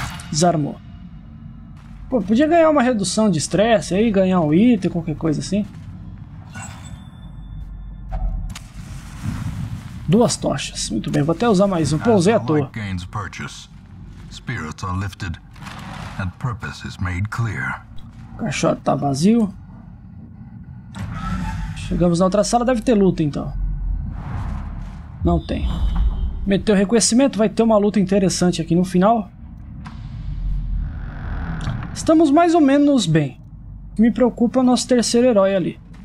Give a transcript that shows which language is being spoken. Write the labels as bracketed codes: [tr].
[pt] Desarmou. Pô, podia ganhar uma redução de estresse aí, ganhar um item, qualquer coisa assim. 2 tochas. Muito bem, vou até usar mais um. Pô, usei à toa. [en] Gains purchase, spirits are lifted, and purpose is made clear. [pt] O caixote tá vazio. Chegamos na outra sala, deve ter luta então. Não tem. Meteu reconhecimento, vai ter uma luta interessante aqui no final. Estamos mais ou menos bem. O que me preocupa é o nosso terceiro herói ali.